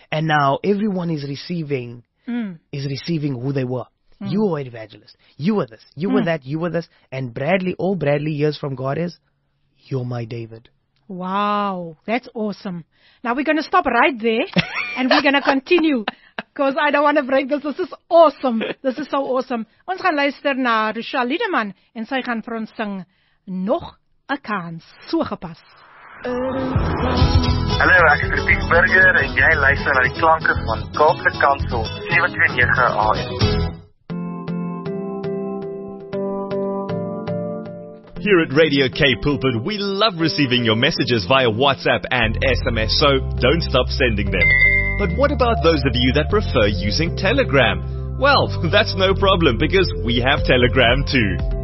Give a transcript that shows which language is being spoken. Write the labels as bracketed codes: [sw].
[en] And now everyone is receiving who they were. Mm. You are an evangelist. You were this. You were that. You were this. And Bradley, all Bradley hears from God is, you're my David. Wow, that's awesome. Now we're going to stop right there and we're going to continue because I don't want to break this. This is awesome. This is so awesome. [af] Ons gaan luister na Rochelle Liedeman en sy gaan vir ons sing Nog 'n Kans. So gepas. Hallo, ek is Piet Burger en jy luister na die klanke van Kaapse Kansel 729 AM. [en] Here at Radio K Pulpit, we love receiving your messages via WhatsApp and SMS, so don't stop sending them. But what about those of you that prefer using Telegram? Well, that's no problem, because we have Telegram too.